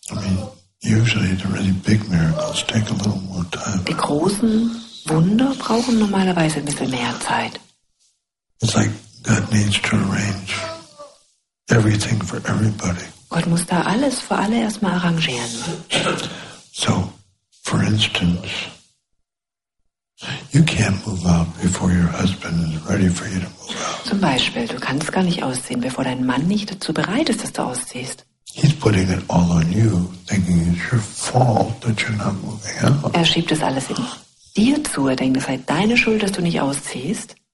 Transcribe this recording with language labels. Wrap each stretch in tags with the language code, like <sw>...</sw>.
<en>I mean, usually the really big miracles take a little more time.</en> <de>Die großen Wunder brauchen normalerweise ein bisschen mehr Zeit.</de> <en>It's like God needs to arrange everything for everybody.</en> <de>Gott muss da alles für alle erstmal arrangieren.</de> <en>So, for instance, you can't move out before your husband is ready for you to move out.</en> <de>Zum Beispiel, du kannst gar nicht ausziehen, bevor dein Mann nicht dazu bereit ist, dass du ausziehst.</de> <en>He's putting it all on you, thinking it's your fault that you're not moving out.</en> <de>Er schiebt es alles in dir zu, er denkt, es sei deine Schuld, dass du nicht ausziehst.</de>